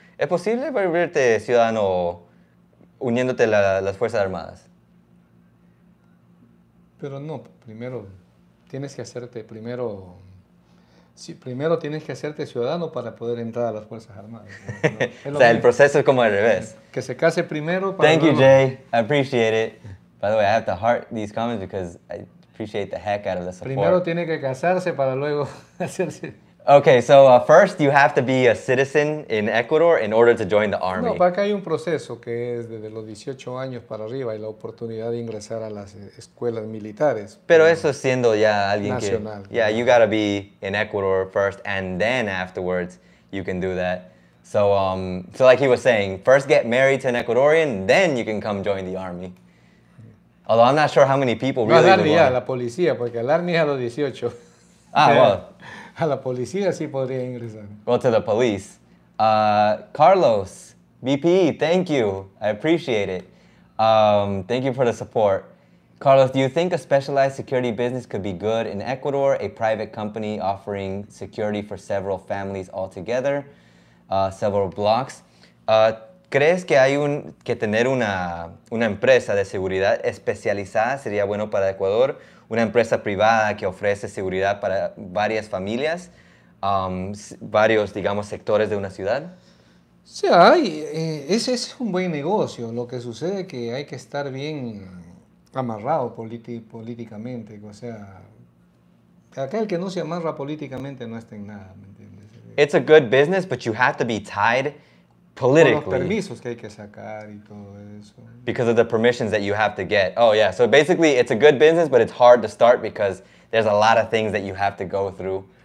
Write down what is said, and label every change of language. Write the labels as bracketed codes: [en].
[es] ¿Es posible volverte ciudadano uniéndote a las Fuerzas Armadas? Pero no, primero tienes que hacerte primero. Sí, primero tienes que hacerte ciudadano para poder entrar a las Fuerzas Armadas. ¿No? O sea, el proceso es como al revés. Que se case primero para. [en] Thank you, Jay. I appreciate it. By the way, I have to heart these comments because I appreciate the heck out of the support. [es] Primero tiene que casarse para luego hacerse. [en] Okay, so first you have to be a citizen in Ecuador in order to join the army. [es] No, acá hay un proceso que es desde los 18 años para arriba y la oportunidad de ingresar a las escuelas militares. Pero eso siendo ya alguien nacional, que. [en] Yeah, you gotta be in Ecuador first and then afterwards you can do that. So, so like he was saying, first get married to an Ecuadorian, then you can come join the army. Although I'm not sure how many people really would want. [es] La policía, porque el army es a los 18. [en] Ah, well. [es] A la policía sí podría ingresar. [en] Well, to the police. Carlos, BPE, thank you. I appreciate it. Thank you for the support. Carlos, do you think a specialized security business could be good in Ecuador, a private company offering security for several families altogether, several blocks? [es] ¿Crees que hay que tener una empresa de seguridad especializada sería bueno para Ecuador? Una empresa privada que ofrece seguridad para varias familias, varios, digamos, sectores de una ciudad? Sí, hay. Ese es un buen negocio. Lo que sucede es que hay que estar bien amarrado políticamente. O sea, aquel que no se amarra políticamente no está en nada, ¿me entiendes? [en] It's a good business, but you have to be tied politically. [es] Con los permisos que hay que sacar y todo eso. [en] Because of the permissions that you have to get. Oh, yeah. So basically, it's a good business, but it's hard to start because there's a lot of things that you have to go through.